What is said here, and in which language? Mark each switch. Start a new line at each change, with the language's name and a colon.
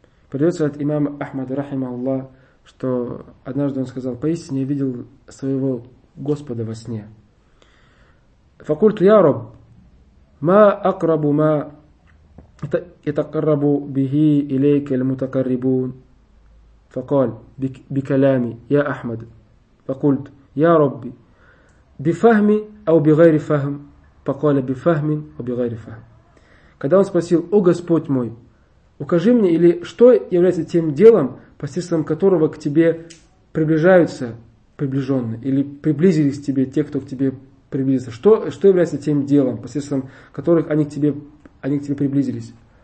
Russian: Передается от имама Ахмада, рахима Аллах, что однажды он сказал: «Поистине я видел своего Господа во сне».
Arabic: Факульту я Раб, ма акрабу ма итакаррабу бихи илейка ль-мутакаррибун. فقال بكلامي يا أحمد فقلت يا ربي بفهمي أو بغير فهم فقال بفهم وبغير فهم.
Russian: Когда он спросил: «О Господь мой, укажи мне, или что является тем делом, посредством которого к тебе приближаются приближенные, или приблизились к тебе те, кто к тебе приблизился, что является тем делом, посредством которых они к тебе приблизились?»